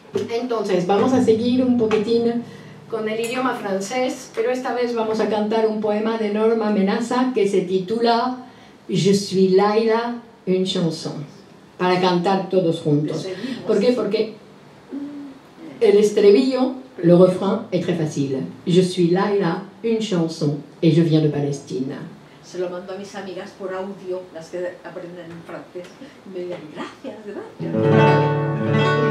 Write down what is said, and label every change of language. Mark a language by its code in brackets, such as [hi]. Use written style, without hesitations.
[es] Entonces, vamos a seguir un poquitín con el idioma francés, pero esta vez vamos a cantar un poema de Norma Menaza que se titula Je suis Laïla, une chanson, para cantar todos juntos. ¿Por qué? Porque el estribillo, [fr] le refrain, est très facile. Je suis Laïla, une chanson, et je viens de Palestine. [es] Se lo mando a mis amigas por audio, las que aprenden francés. Me dicen, gracias, gracias.